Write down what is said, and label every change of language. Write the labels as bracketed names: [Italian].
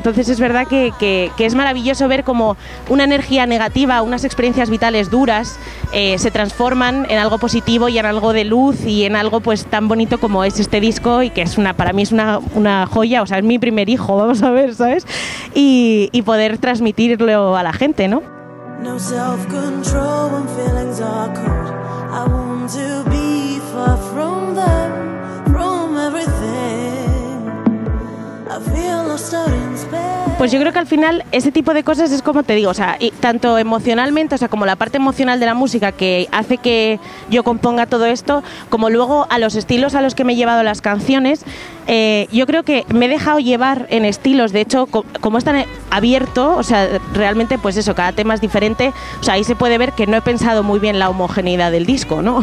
[Spanish] Entonces es verdad que es maravilloso ver cómo una energía negativa, unas experiencias vitales duras se transforman en algo positivo y en algo de luz y en algo pues tan bonito como es este disco y que es una, para mí es una joya, o sea, es mi primer hijo, vamos a ver, ¿sabes? Y poder transmitirlo a la gente, ¿no? [English] No self-control when feelings are cold. I want to be far from them, from everything. I feel lost out in space. [Spanish] Pues yo creo que al final ese tipo de cosas es como te digo, o sea, y tanto emocionalmente, o sea, como la parte emocional de la música que hace que yo componga todo esto, como luego a los estilos a los que me he llevado las canciones, yo creo que me he dejado llevar en estilos, de hecho, como es tan abierto, o sea, realmente pues eso, cada tema es diferente, o sea, ahí se puede ver que no he pensado muy bien la homogeneidad del disco, ¿no?